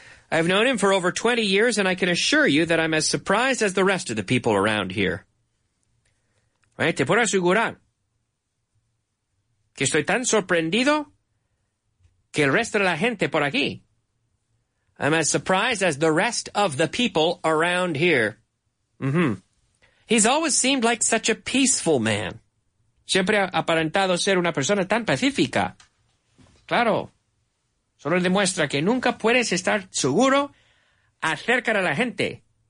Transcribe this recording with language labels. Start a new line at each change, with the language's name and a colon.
English: I've known him for over 20 years, and I can assure you that I'm as surprised as the rest of the people around here. Right?
Spanish: Te puedo asegurar que estoy tan sorprendido que el resto de la gente por aquí.
English: I'm as surprised as the rest of the people around here. Mm-hmm. He's always seemed like such a peaceful man.
Spanish: Siempre ha aparentado ser una persona tan pacífica. Claro. Solo demuestra que nunca puedes estar seguro acerca de la gente.